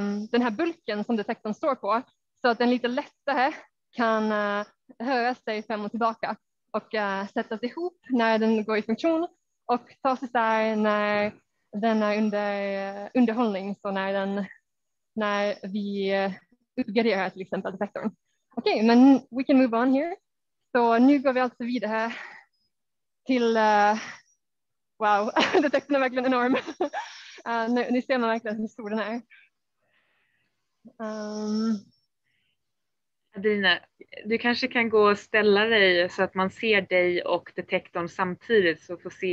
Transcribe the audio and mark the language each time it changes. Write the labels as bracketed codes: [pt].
[sv] den här bulken som detektorn står på, så att den lite lättare kan höra sig fram och tillbaka och sättas ihop när den går i funktion och tas isär när den är underhållning, så när vi uppgraderar till exempel detektorn. Okej, men [en] we can move on here. [sv] Så nu går vi alltså vidare till, wow, detektorn är verkligen enorm. Nu ser man verkligen hur stor den är. Adina, du kanske kan gå och ställa dig så att man ser dig och detektorn samtidigt, så får se.